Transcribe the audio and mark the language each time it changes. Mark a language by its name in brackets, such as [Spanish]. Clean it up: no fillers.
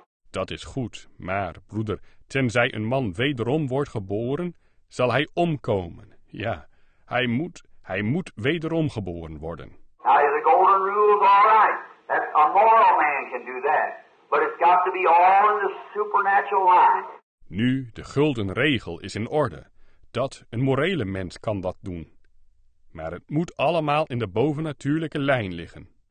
[Dutch] Dat is goed, maar broeder, tenzij een man wederom wordt geboren, zal hij omkomen. Ja, hij moet wederom geboren worden. [English] Now, the golden rule is all right. That's a moral man can do that, but it's got to be all in the supernatural line. [Dutch] Nu, de gulden regel is in orde. Dat een morele mens kan dat doen. Maar het moet allemaal in de bovennatuurlijke lijn liggen.